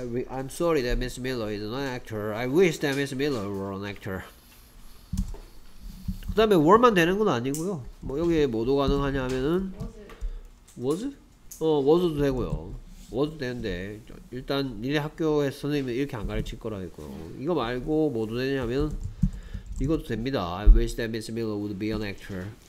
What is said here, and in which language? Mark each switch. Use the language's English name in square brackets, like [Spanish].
[English] I'm sorry that Miss Miller is an actor. I wish that Miss Miller were an actor. [Korean] 그 다음에 were만 되는 건 아니고요. 뭐 여기에 뭐도 가능하냐면은 [English] was? [Korean] was도 되고요. 뭐도 되는데 일단 니네 학교에 선생님이 이렇게 안 가르칠 거라 했고 이거 말고 뭐도 되냐면 이것도 됩니다. [English] I wish that Miss Miller would be an actor.